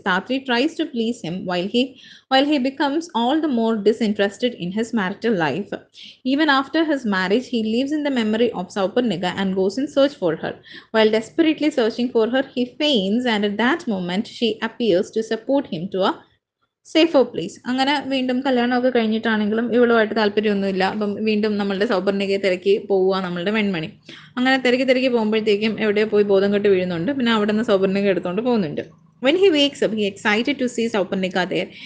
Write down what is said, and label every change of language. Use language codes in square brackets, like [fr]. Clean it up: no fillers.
[en] Tatri tries to please him while he becomes all the more disinterested in his marital life. Even after his marriage, he lives in the memory of Souparnika and goes in search for her. While desperately searching for her, he feigns, and at that moment she appears to support him to a സേഫോ please. [ml] അങ്ങനെ വീണ്ടും കല്യാണമൊക്കെ കഴിഞ്ഞിട്ടാണെങ്കിലും ഇവളുമായിട്ട് താല്പര്യമൊന്നുമില്ല. അപ്പം വീണ്ടും നമ്മളുടെ സൗപർണികയെ തിരക്കി പോവുക നമ്മളുടെ വെൺമണി. അങ്ങനെ തിരക്കി തിരക്കി പോകുമ്പോഴത്തേക്കും എവിടെയോ പോയി ബോധം കെട്ട് വീഴുന്നുണ്ട്. പിന്നെ അവിടെ നിന്ന് സൗപർണിക എടുത്തുകൊണ്ട് പോകുന്നുണ്ട്. [en] When he wakes up, he is excited to see Souparnika there.